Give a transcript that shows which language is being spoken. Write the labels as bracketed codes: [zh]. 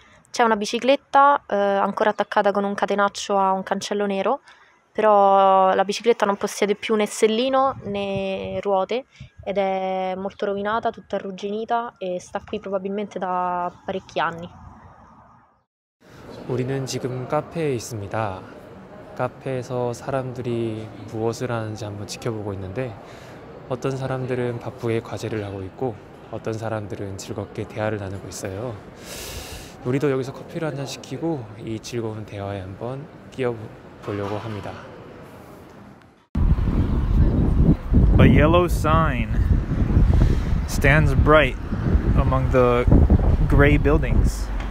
[it] C'è una bicicletta ancora attaccata con un catenaccio a un cancello nero, però la bicicletta non possiede più né sellino né ruote ed è molto rovinata, tutta arrugginita e sta qui probabilmente da parecchi anni. [ko] 우리는 지금 카페에 있습니다. 카페에서 사람들이 무엇을 하는지 한번 지켜보고 있는데 어떤 사람들은 바쁘게 과제를 하고 있고 어떤 사람들은 즐겁게 대화를 나누고 있어요. 우리도 여기서 커피를 한잔 시키고 이 즐거운 대화에 한번 끼어보려고 합니다. [en] A yellow sign stands bright among the gray buildings.